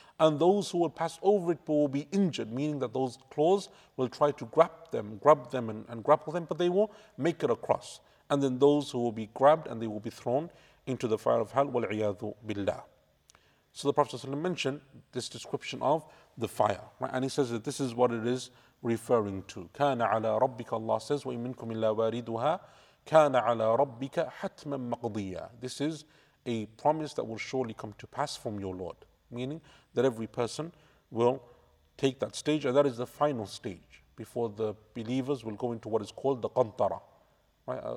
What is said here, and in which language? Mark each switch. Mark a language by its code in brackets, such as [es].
[en] And those who will pass over it but will be injured, meaning that those claws will try to grab them and grapple them, but they will make it across. And then those who will be grabbed and they will be thrown into the fire of hell, wal-iyadhu billah. So the Prophet ﷺ mentioned this description of the fire, right? And he says that this is what it is referring to. [ar] كان على ربك, Allah says, وَإِن مِنْكُمْ إِلَّا وَارِدُهَا كَانَ عَلَى رَبِّكَ حَتْمًا مَقْضِيًّا. [en] This is a promise that will surely come to pass from your Lord, meaning that every person will take that stage, and that is the final stage before the believers will go into what is called the qantara, right?